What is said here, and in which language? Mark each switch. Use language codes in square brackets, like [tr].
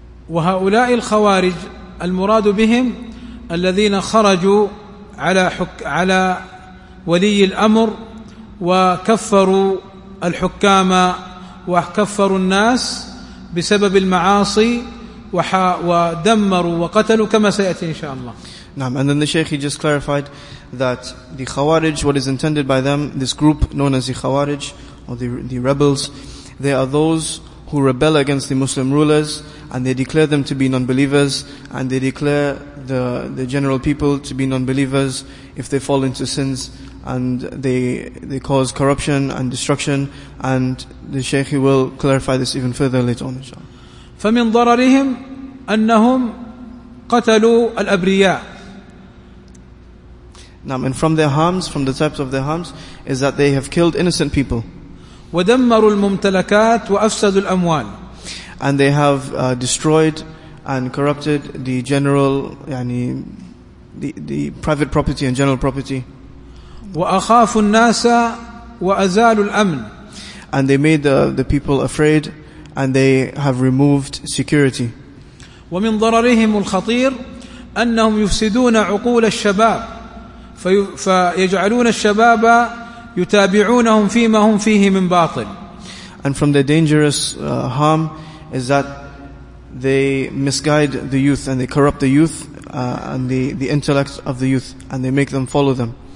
[ar] وهؤلاء الخوارج المراد بهم الذين خرجوا على على ولي الأمر وكفروا الحكام وكفروا الناس بسبب المعاصي ودمروا وقتلوا كما سيأتي إن شاء الله. نعم. [en] And then the Sheikh, he just clarified that the Khawarij, what is intended by them, this group known as the Khawarij or the rebels, they are those who rebel against the Muslim rulers, and they declare them to be non-believers, and they declare the general people to be non-believers if they fall into sins, and they cause corruption and destruction. And the Sheikh, he will clarify this even further later on, inshallah. [ar] فمن ضررهم أنهم قتلوا الأبرياء. [en] Now, and from their harms, from the types of their harms, is that they have killed innocent people. [ar] ودمروا الممتلكات وأفسدوا الأموال. [en] And they have destroyed and corrupted the general, [ar] يعني [en] the private property and general property. [ar] وأخافوا الناس وأزالوا الأمن. [en] And they made the people afraid, and they have removed security. [ar] ومن ضررهم الخطير أنهم يفسدون عقول الشباب فيجعلون الشباب يتابعونهم فيما هم فيه من باطل. [en] And from the dangerous harm is that they misguide the youth, and they corrupt the youth and the intellect of the youth, and they make them follow them.